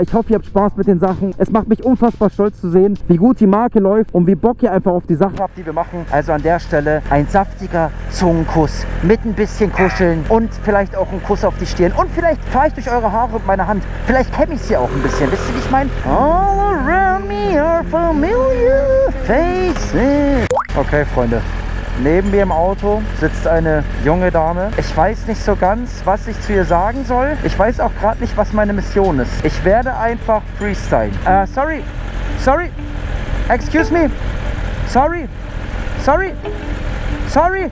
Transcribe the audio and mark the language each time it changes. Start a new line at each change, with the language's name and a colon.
German: Ich hoffe, ihr habt Spaß mit den Sachen. Es macht mich unfassbar stolz zu sehen, wie gut die Marke läuft und wie Bock ihr einfach auf die Sachen habt, die wir machen. Also an der Stelle ein saftiger Zungenkuss mit ein bisschen Kuscheln und vielleicht auch ein Kuss auf die Stirn. Und vielleicht fahre ich durch eure Haare und meine Hand. Vielleicht kämme ich sie auch ein bisschen. Wisst ihr, wie ich meine?
English: All around me are familiar faces.
German: Okay, Freunde. Neben mir im Auto sitzt eine junge Dame. Ich weiß nicht so ganz, was ich zu ihr sagen soll. Ich weiß auch gerade nicht, was meine Mission ist. Ich werde einfach freestylen.
English: Sorry. Excuse me. Sorry.